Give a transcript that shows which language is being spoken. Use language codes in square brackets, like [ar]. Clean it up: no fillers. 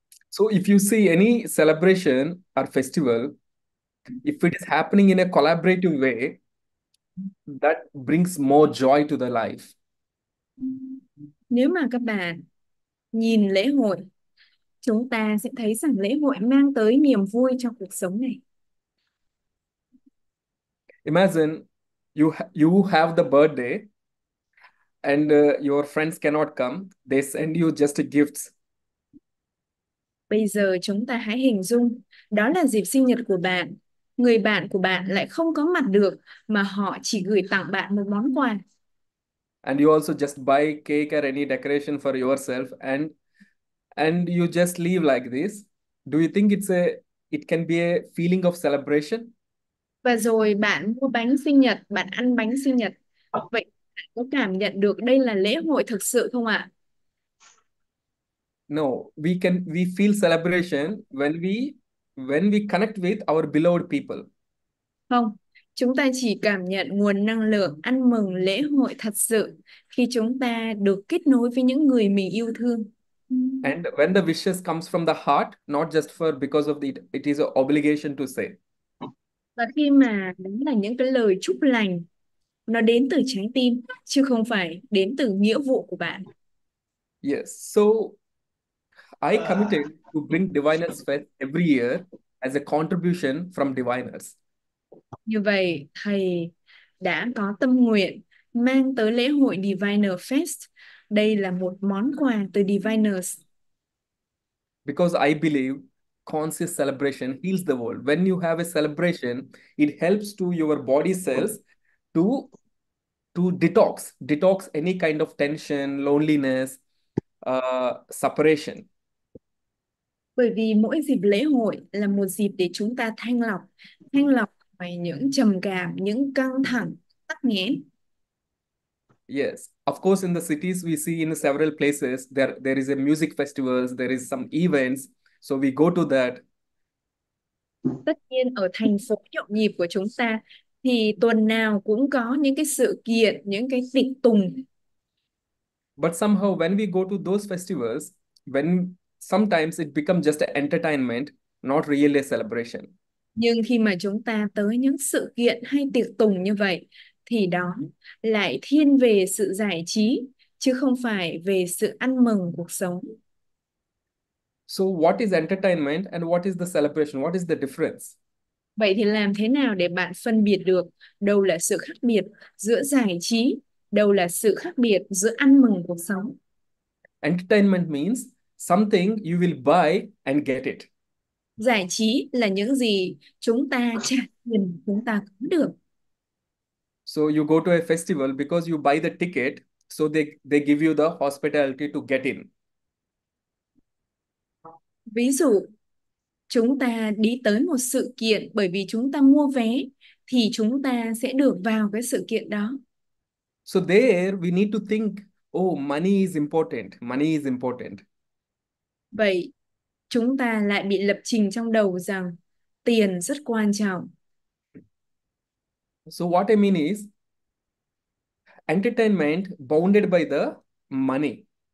[en] So if you see any celebration or festival, if it is happening in a collaborative way, That brings more joy to the life. [vi] Nếu mà các bạn nhìn lễ hội, chúng ta sẽ thấy rằng lễ hội mang tới niềm vui cho cuộc sống này. [en] Imagine you have the birthday and your friends cannot come. They send you just gifts. [vi] Bây giờ chúng ta hãy hình dung đó là dịp sinh nhật của bạn. Người bạn của bạn lại không có mặt được mà họ chỉ gửi tặng bạn một món quà. [en] And you also just buy cake or any decoration for yourself and you just leave like this. Do you think it can be a feeling of celebration? [vi] Và rồi bạn mua bánh sinh nhật, bạn ăn bánh sinh nhật. Vậy bạn có cảm nhận được đây là lễ hội thực sự không ạ? [en] No, we feel celebration when we connect with our beloved people. [vi] Không, chúng ta chỉ cảm nhận nguồn năng lượng ăn mừng lễ hội thật sự khi chúng ta được kết nối với những người mình yêu thương. [en] And when the wishes comes from the heart, not just for because of the it is an obligation to say. [vi] Và khi mà đó là những cái lời chúc lành, nó đến từ trái tim chứ không phải đến từ nghĩa vụ của bạn. [en] Yes, so I committed to bring Diviners Fest every year as a contribution from Diviners. [vi] Như vậy, thầy đã có tâm nguyện mang tới lễ hội Diviner Fest. Đây là một món quà từ Diviners. [en] Because I believe conscious celebration heals the world. When you have a celebration, it helps to your body cells to detox. Detox any kind of tension, loneliness, separation. [vi] Bởi vì mỗi dịp lễ hội là một dịp để chúng ta thanh lọc ngoài những trầm cảm, những căng thẳng, tắc nghẽn. [en] Yes, of course in the cities we see in several places there is a music festivals, there is some events, so we go to that. [vi] Tất nhiên ở thành phố nhộn nhịp của chúng ta thì tuần nào cũng có những cái sự kiện, những cái tiệc tùng. [en] But somehow when we go to those festivals, sometimes it becomes just an entertainment, not really a celebration. [vi] Nhưng khi mà chúng ta tới những sự kiện hay tiệc tùng như vậy, thì đó lại thiên về sự giải trí, chứ không phải về sự ăn mừng cuộc sống. [en] So what is entertainment and what is the celebration? What is the difference? [vi] Vậy thì làm thế nào để bạn phân biệt được đâu là sự khác biệt giữa giải trí, đâu là sự khác biệt giữa ăn mừng cuộc sống? [en] Entertainment means something you will buy and get it. [vi] Giải trí là những gì chúng ta trả tiền chúng ta có được. [en] So you go to a festival because you buy the ticket, so they give you the hospitality to get in. [vi] Ví dụ, chúng ta đi tới một sự kiện bởi vì chúng ta mua vé thì chúng ta sẽ được vào cái sự kiện đó. [en] So there we need to think, oh, money is important, money is important. [vi] Vậy chúng ta lại bị lập trình trong đầu rằng tiền rất quan trọng. [en] So what I mean is entertainment bounded by the money.